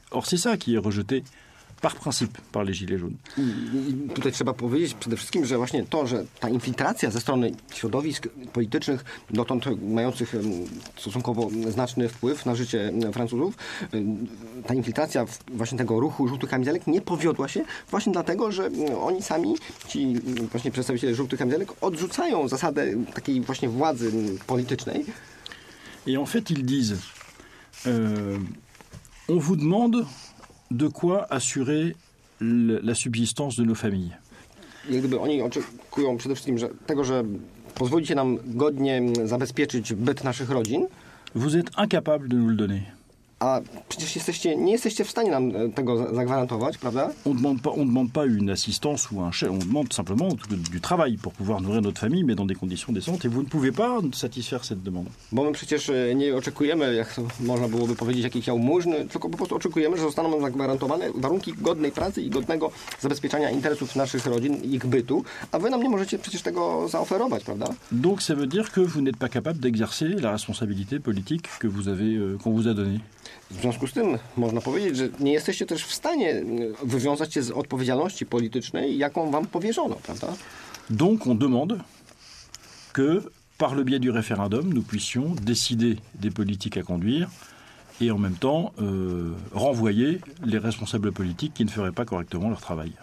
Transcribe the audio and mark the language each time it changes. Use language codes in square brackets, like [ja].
[fr] Or, c'est ça qui est rejeté par principe par les gilets jaunes. [pl] I tutaj trzeba powiedzieć przede wszystkim, że właśnie to, że ta infiltracja ze strony środowisk politycznych, dotąd mających stosunkowo znaczny wpływ na życie Francuzów, ta infiltracja właśnie tego ruchu żółtych kamizelek nie powiodła się właśnie dlatego, że oni sami, ci właśnie przedstawiciele żółtych kamizelek, odrzucają zasadę takiej właśnie władzy politycznej. [fr] Et en fait, ils disent, on vous demande de quoi assurer la subsistance de nos familles. [pl] Jak gdyby oni oczekują przede wszystkim że, tego, że pozwolicie nam godnie zabezpieczyć byt naszych rodzin. [fr] Vous êtes incapable de nous le donner. [pl] A przecież jesteście, nie jesteście w stanie nam tego zagwarantować, prawda? [fr] On demande pas une assistance ou un chèque, on demande simplement du travail pour pouvoir nourrir notre famille, mais dans des conditions décentes, et vous ne pouvez pas satisfaire cette demande. [pl] Bo my przecież nie oczekujemy, jak można byłoby powiedzieć, jakichś jałmużny, tylko po prostu oczekujemy, że zostaną nam zagwarantowane warunki godnej pracy i godnego zabezpieczania interesów naszych rodzin, ich bytu, a wy nam nie możecie przecież tego zaoferować, prawda? [fr] Donc ça veut dire que vous n'êtes pas capable d'exercer la responsabilité politique que vous avez, qu'on vous a donnée. [pl] W związku z tym można powiedzieć, że nie jesteście też w stanie wywiązać się z odpowiedzialności politycznej, jaką wam powierzono, prawda? [fr] Donc on demande que par le biais du référendum nous puissions décider des politiques à conduire et en même temps renvoyer les responsables politiques qui ne feraient pas correctement leur travail.